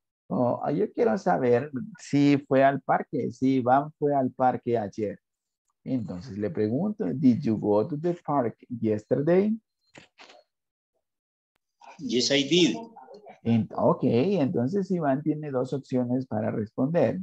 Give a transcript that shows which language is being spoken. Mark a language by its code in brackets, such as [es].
[es] Oh, yo quiero saber si fue al parque, si Iván fue al parque ayer. Entonces le pregunto, [en] did you go to the park yesterday? Yes, I did. [es] Ok, entonces Iván tiene dos opciones para responder.